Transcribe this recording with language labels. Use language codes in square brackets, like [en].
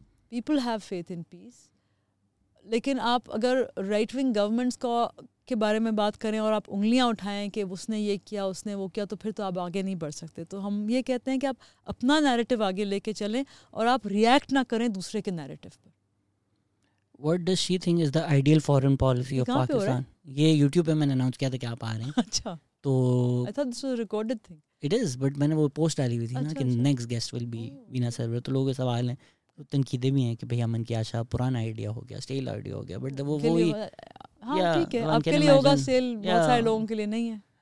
[en] people have faith in peace, [ur] لیکن آپ اگر رائٹ ونگ گورنمنٹس کے بارے میں بات کریں اور آپ انگلیاں اٹھائیں کہ اس نے یہ کیا اس نے وہ کیا, تو پھر تو آپ آگے نہیں بڑھ سکتے. تو ہم یہ کہتے ہیں کہ آپ اپنا نیریٹو آگے لے کے چلیں اور آپ ریئیکٹ نہ کریں دوسرے کے narrative per. [en] What does she think is the ideal foreign policy of Pakistan? [ur] یہ یوٹیوب پہ میں نے اناؤنس کیا تھا کہ آپ آ رہے ہیں. اچھا, تو [en] I thought this was recorded thing. It is, [ur] but میں نے وہ پوسٹ ڈالی ہوئی تھی نا کہ [en] Next guest will be Veena Sarwar. [ur] تو لوگ سوال ہیں, تنقیدیں بھی ہیں کہ بھائی امن کی آشا پرانا آئیڈیا ہو گیا, اسٹیل آئیڈیا ہو گیا, بٹ وہ ٹھیک ہے آپ کے لیے ہوگا, سیل بہت سارے لوگوں کے لیے نہیں ہے.